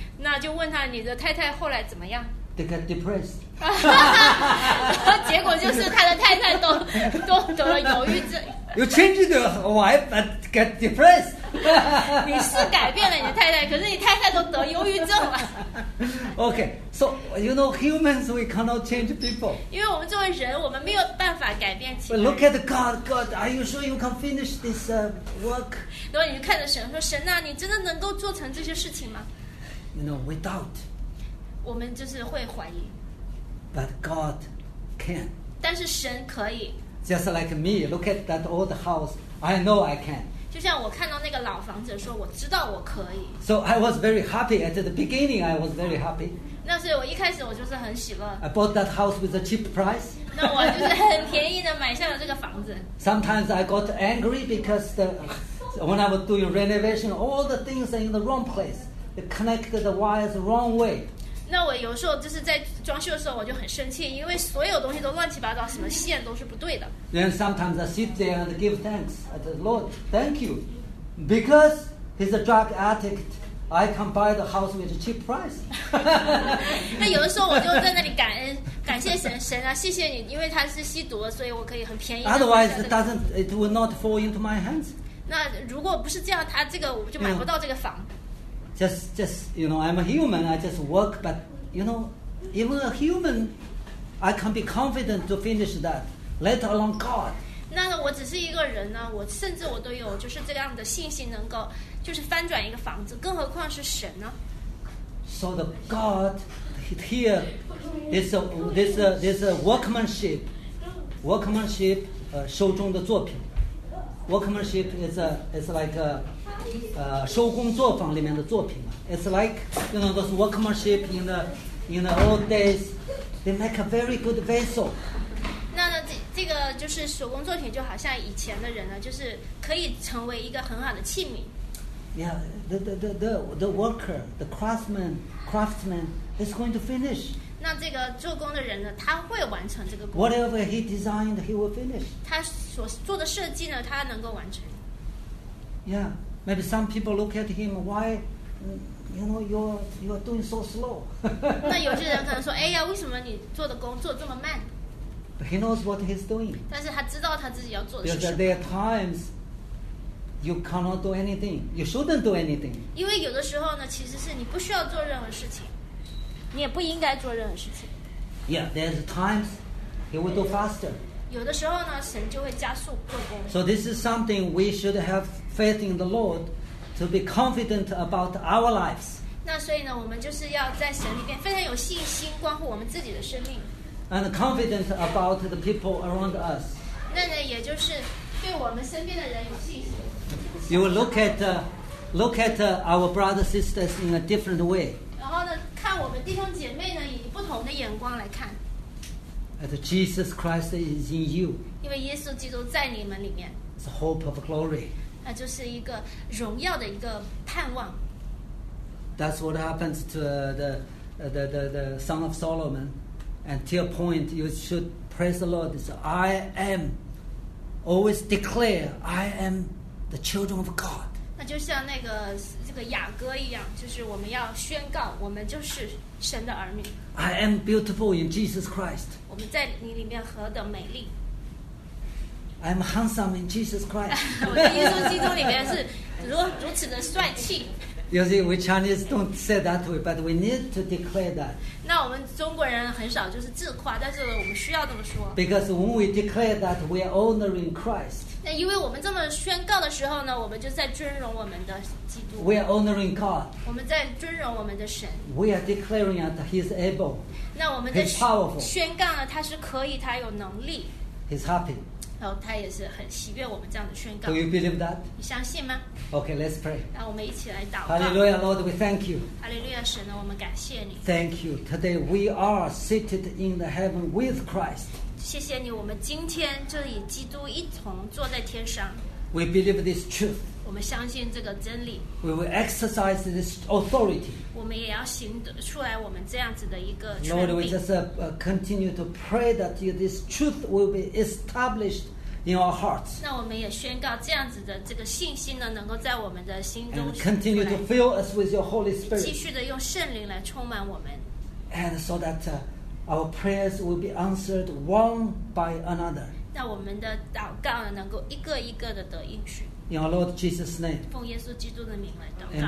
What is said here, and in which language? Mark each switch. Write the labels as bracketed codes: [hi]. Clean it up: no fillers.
[zh] 那就问他你的太太后来怎么样 [en] ？They got depressed. [zh] 结果就是他的太太都得了忧郁症。 [en] You changed your wife, but get depressed. [zh] 你是改变了你的太太，可是你太太都得忧郁症了。 [en] Okay, so you know humans, we cannot change people. [zh] 因为我们作为人，我们没有办法改变其他人。 [en] But look at God. God, are you sure you can finish this work? [zh] 然后你就看着神说：“神啊，你真的能够做成这些事情吗 [en] ？”You know, we doubt. [zh] 我们就是会怀疑。 [en] But God can. [zh] 但是神可以。 [en] Just like me, look at that old house. I know I can. [zh] 就像我看到那个老房子，说我知道我可以。 [en] So I was very happy at the beginning. I was very happy. [zh] 那所以我一开始我就是很喜乐。 [en] I bought that house with a cheap price. [zh] 那我就是很便宜的买下了这个房子。 [en] Sometimes I got angry because when I was doing renovation, all the things are in the wrong place. They connected the wires the wrong way. [zh] 那我有时候就是在装修的时候我就很生气，因为所有东西都乱七八糟，什么线都是不对的。 [en] Then sometimes I sit there and give thanks at the Lord, thank you, because he's a drug addict, I can buy the house with a cheap price. [zh] 那有的时候我就在那里感谢神啊，谢谢你，因为他是吸毒的，所以我可以很便宜。 [en] Otherwise it will not fall into my hands. [zh] 那如果不是这样，他这个我就买不到这个房。 [en] yeah. Just, you know, I'm a human, I just work, but, you know, even a human, I can be confident to finish that, let alone God. [zh] 那我只是一个人呢，我甚至我都有就是这样的信心能够就是翻转一个房子，更何况是神呢？ [en] So the God here is this workmanship. [zh] Workmanship, 手中的作品。 [en] Workmanship is like a [zh] 手工作坊里面的作品。 [en] It's like, you know, those workmanship in the old days, they make a very good vessel. [zh] 那这个就是手工作品，就好像以前的人呢，就是可以成为一个很好的器皿。 [en] Yeah, the worker, the craftsman is going to finish. [zh] 那这个做工的人呢，他会完成这个工作。 [en] Whatever he designed, he will finish. [zh] 他所做的设计呢，他能够完成。 [en] Yeah, maybe some people look at him, why? You know, you are doing so slow. [zh] 那有些人可能说，哎呀，为什么你做的工作这么慢？ [en] But he knows what he's doing. [zh] 但是他知道他自己要做的是什么。 [en] Because there are times you cannot do anything, you shouldn't do anything. [zh] 因为有的时候呢，其实是你不需要做任何事情，你也不应该做任何事情。 [en] Yeah, there's times he will do faster. [zh] 有的时候呢，神就会加速做工。 [en] So this is something we should have faith in the Lord. To be confident about our lives. [zh] 那所以呢，我们就是要在神里面非常有信心，关乎我们自己的生命。 [en] And confident about the people around us. [zh] 那呢，也就是对我们身边的人有信心。 [en] You will look at our brothers sisters in a different way. [zh] 然后呢，看我们弟兄姐妹呢，以不同的眼光来看。 [en] As Jesus Christ is in you. [zh] 因为耶稣基督在你们里面。 [en] It's a hope of glory. [zh] 那就是一个荣耀的一个盼望。 [en] That's what happens to the Song of Solomon. Until point, you should praise the Lord. So I am always declare I am the children of God. [zh] 那就像那个这个雅歌一样，就是我们要宣告我们就是神的儿女。 [en] I am beautiful in Jesus Christ. [zh] 我们在你里面何等美丽。 [en] I'm handsome in Jesus Christ. [zh] 我在耶稣基督里面是如此的帅气。 [en] You see, we Chinese don't say that way, but we need to declare that. [zh] 那我们中国人很少就是自夸，但是我们需要这么说。 [en] Because when we declare that, we are honoring Christ. [zh] 那因为我们这么宣告的时候呢，我们就在尊荣我们的基督。 [en] We are honoring God. [zh] 我们在尊荣我们的神。 [en] We are declaring that He is able. [zh] 那我们 [en] 的 He's powerful. [zh] 宣告了他是可以，他有能力。 [en] He's happy. [zh] 然后他也是很喜悦我们这样的宣告。 [en] Do you believe that? [zh] 你相信吗？ [en] Okay, let's pray. [zh] 那我们一起来祷告。 [en] Hallelujah, Lord, we thank you. [zh] Hallelujah, 神呢，我们感谢你。 [en] Thank you. Today we are seated in the heaven with Christ. [zh] 谢谢你，我们今天就与基督一同坐在天上。 [en] We believe this truth. [zh] 我们相信这个真理。 [en] We will exercise this authority. [zh] 我们也要行出来我们这样子的一个权柄。 [en] Lord, we just continue to pray that this truth will be established in our hearts. [zh] 那我们也宣告这样子的这个信心呢，能够在我们的心中。 [en] And continue to fill us with your Holy Spirit. [zh] 继续的用圣灵来充满我们。 [en] And so that our prayers will be answered one by another. [zh] 那我们的祷告呢，能够一个一个的得应许。 [en] In our Lord Jesus' name. [zh] 奉耶稣基督的名来祷告。